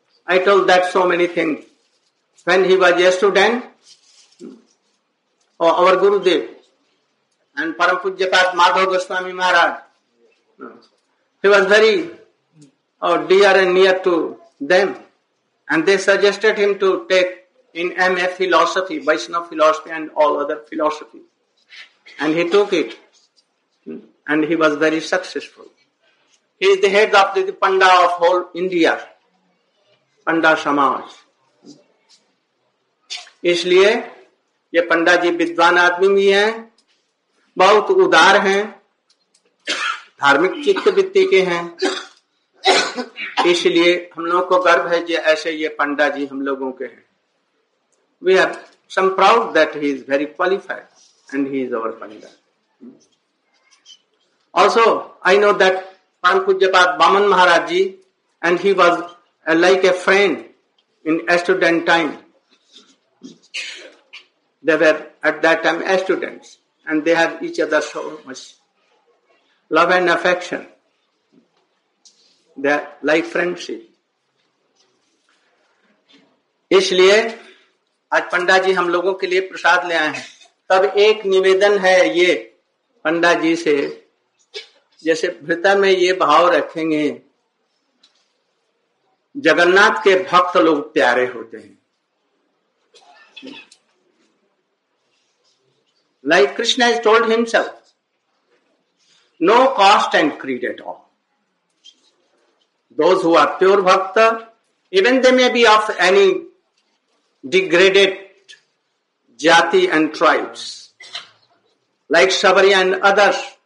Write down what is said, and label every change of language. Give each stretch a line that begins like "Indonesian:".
English: I told that so many thing when he was a student और our Gurudev and Param Pujyapad Madhav Goswami Maharaj. He was very or dear and near to them. And they suggested him to take in MA philosophy, Vaishnava philosophy and all other philosophy. And he took it. And he was very successful. He is the head of the Panda of whole India. Panda Samaj.
Hindi: इसलिए ये पंडा जी विद्वान आदमी भी हैं, बहुत उदार हैं, धार्मिक चित्त वृत्ति के हैं, इसलिए हम लोगों को गर्व है जो ऐसे ये पंडा जी हम लोगों के हैं.
English: We are so proud that he is very qualified and he is our panda. Also I know that Param Pujyapad Baman Maharaj ji and he was like a friend in student time. They were at that time as students and they had each other so much love and affection. Their life friendship.
Hindi: इसलिए आज पंडा जी हम लोगों के लिए प्रसाद ले आए हैं. तब एक निवेदन है ये पंडा जी से, जैसे भृता में ये भाव रखेंगे, जगन्नाथ के भक्त लोग प्यारे होते हैं.
English: Like Krishna has told himself, no cost and creed at all. Those who are pure bhakta, even they may be of any degraded jati and tribes, like Shabari and others.